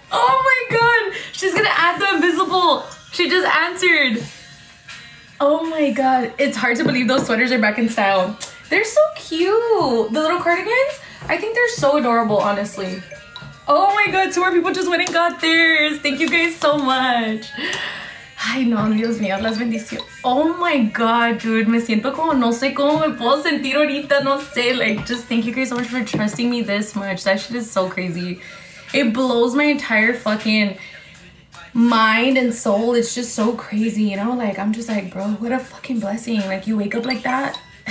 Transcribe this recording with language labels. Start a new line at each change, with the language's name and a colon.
English: Oh my god. She's gonna add the invisible. She just answered. Oh my god. It's hard to believe those sweaters are back in style. They're so cute. The little cardigans. I think they're so adorable, honestly. Oh my god, two more people just went and got theirs. Thank you guys so much.
Spanish: Ay, no, Dios mío, las bendiciones.
English: Oh my god, dude,
Spanish: me siento como no sé cómo me puedo sentir ahorita, no sé.
English: Like, just thank you guys so much for trusting me this much. That shit is so crazy. It blows my entire fucking mind and soul. It's just so crazy, you know? Like, I'm just like, bro, what a fucking blessing. Like, you wake up like that.